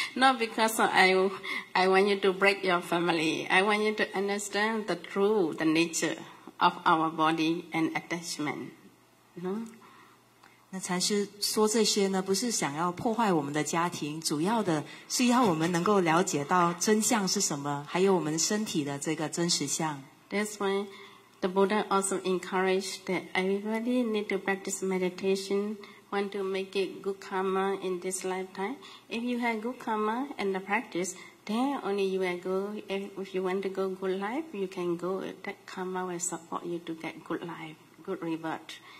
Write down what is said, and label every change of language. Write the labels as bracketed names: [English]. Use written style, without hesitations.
[English] Not because I want you to break your family. I want you to understand the true, the nature of our body and attachment. No. [Chinese] 那禅师说这些呢，不是想要破坏我们的家庭，主要的是要我们能够了解到真相是什么，还有我们身体的这个真实相。 [English] That's why the Buddha also encouraged that everybody need to practice meditation. Want to make it good karma in this lifetime. If you have good karma and the practice, then only you will go. If you want to go good life, you can go. That karma will support you to get good life, good reward.